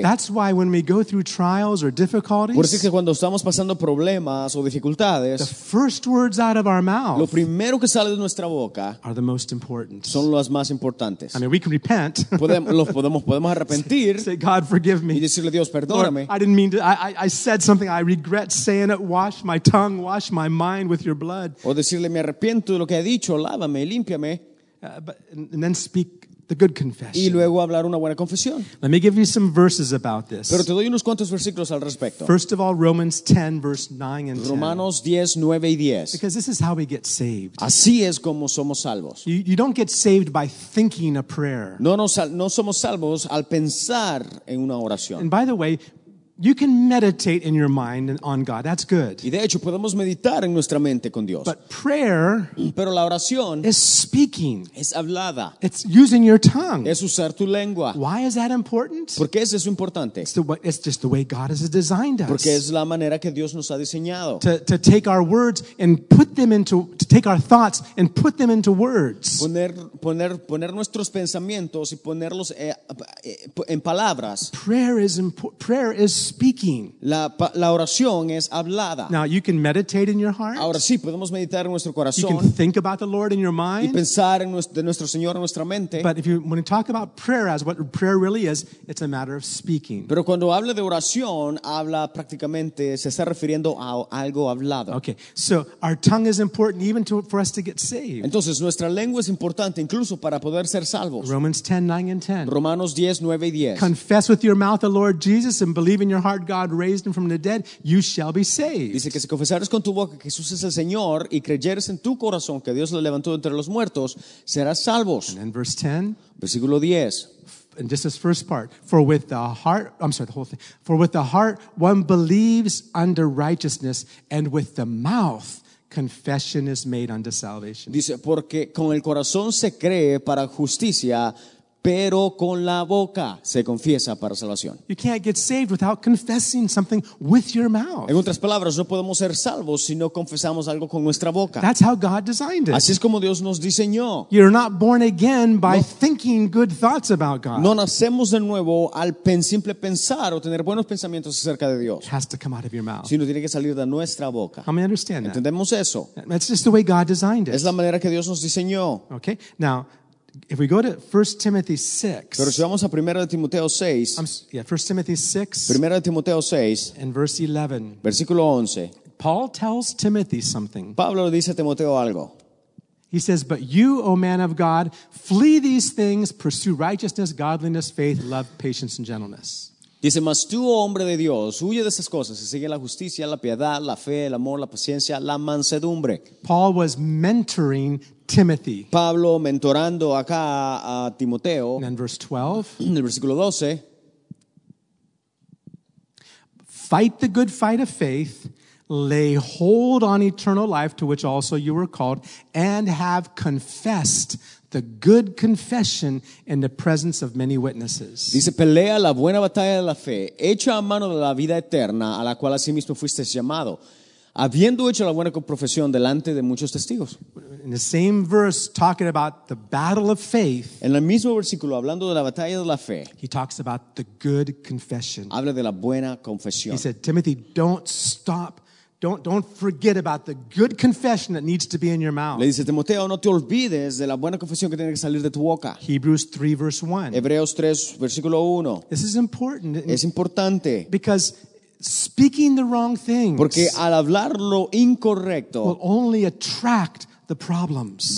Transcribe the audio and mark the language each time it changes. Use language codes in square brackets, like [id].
[en] That's why when we go through trials or difficulties, [es] por eso es que cuando estamos pasando problemas o dificultades, [en] the first words out of our mouth, [es] lo primero que sale de nuestra boca, [en] are the most important. [es] Son las más importantes. [en] I mean, we can repent. [es] Podemos arrepentir. [en] Say, God, forgive me. [es] Y decirle, Dios, perdóname. [en] Lord, I didn't mean to. I said something. I regret saying it. Wash my tongue. Wash my mind with your blood. [es] O decirle, me arrepiento de lo que he dicho. Lávame, límpiame. [en] And then speak the good confession. [es] Y luego hablar una buena confesión. [en] Let me give you some verses about this. [es] Pero te doy unos cuantos versículos al respecto. [en] First of all, Romans 10, verse 9 and 10. [es] Romanos 10, 9 y 10. [en] Because this is how we get saved. [es] Así es como somos salvos. [en] You don't get saved by thinking a prayer. [es] No somos salvos al pensar en una oración. [en] And by the way, you can meditate in your mind and on God. That's good. [es] Y de hecho, podemos meditar en nuestra mente con Dios. [en] But prayer, [es] pero la oración, [en] is speaking. [es] Es hablada. [en] It's using your tongue. [es] Es usar tu lengua. [en] Why is that important? [es] ¿Por qué es eso importante? [en] It's just the way God has designed us. [es] Porque es la manera que Dios nos ha diseñado. [en] To take our words and put them into, to take our thoughts and put them into words. [es] Poner nuestros pensamientos y ponerlos en palabras. [en] Prayer is speaking. [es] La oración es hablada. [en] Now you can meditate in your heart. [es] Ahora sí, podemos meditar en nuestro corazón. [en] You can think about the Lord in your mind. [es] Y pensar en nuestro Señor en nuestra mente. [en] But when you talk about prayer as what prayer really is, it's a matter of speaking. [es] Pero cuando habla de oración, habla prácticamente, se está refiriendo a algo hablado. [en] Okay, so our tongue is important even for us to get saved. [es] Entonces nuestra lengua es importante incluso para poder ser salvos. [en] Romans 10, 9 and 10. [es] Romanos 10, 9 y 10. [en] Confess with your mouth the Lord Jesus and believe in your heart God raised him from the dead, you shall be saved. [es] Dice que si confesares con tu boca que Jesús es el Señor y creyeres en tu corazón que Dios lo levantó entre los muertos, serás salvos. [en] And then verse 10. [es] Versículo 10. [en] And just this first part. For with the heart, I'm sorry, the whole thing. For with the heart one believes unto righteousness, and with the mouth confession is made unto salvation. [es] Dice, porque con el corazón se cree para justicia, pero con la boca se confiesa para salvación. [en] You can't get saved without confessing something with your mouth. [es] En otras palabras, no podemos ser salvos si no confesamos algo con nuestra boca. [en] That's how God designed it. [es] Así es como Dios nos diseñó. [en] You're not born again by thinking good thoughts about God. [es] No nacemos de nuevo al simple pensar o tener buenos pensamientos acerca de Dios. [en] It has to come out of your mouth. [es] Sino tiene que salir de nuestra boca. [en] How many understand that? [es] ¿Entendemos eso? [en] That's just the way God designed it. [es] Es la manera que Dios nos diseñó. [en] Okay. Now, if we go to 1 Timothy 6. [es] Pero si vamos a 1 Timoteo 6. [en] 1 Timothy 6. [es] 1 Timoteo 6. [en] And verse 11. [es] Versículo 11. [en] Paul tells Timothy something. [es] Pablo le dice a Timoteo algo. [en] He says, "But you, O man of God, flee these things, pursue righteousness, godliness, faith, love, patience, and gentleness." [es] Dice, "Mas tú, hombre de Dios, huye de esas cosas y sigue la justicia, la piedad, la fe, el amor, la paciencia, la mansedumbre." [en] Paul was mentoring Timothy. [es] Pablo mentorando acá a Timoteo. [en] And then verse 12. [es] En el versículo 12. [en] "Fight the good fight of faith, lay hold on eternal life to which also you were called, and have confessed the good confession in the presence of many witnesses." [es] Dice, "Pelea la buena batalla de la fe, hecha a mano de la vida eterna, a la cual asimismo fuiste llamado, habiendo hecho la buena profesión delante de muchos testigos." [en] In the same verse, talking about the battle of faith, [es] en el mismo versículo, hablando de la batalla de la fe, [en] he talks about the good confession. [es] Habla de la buena confesión. [en] He said, "Timothy, don't stop. Don't forget about the good confession that needs to be in your mouth." [es] Le dice, "Timoteo, no te olvides de la buena confesión que tiene que salir de tu boca." [en] Hebrews 3, verse 1. [es] Hebreos 3, versículo 1. [en] This is important. [es] Es importante. [en] Because speaking the wrong things, [es] porque al hablar lo incorrecto, [en] will only attract the problems.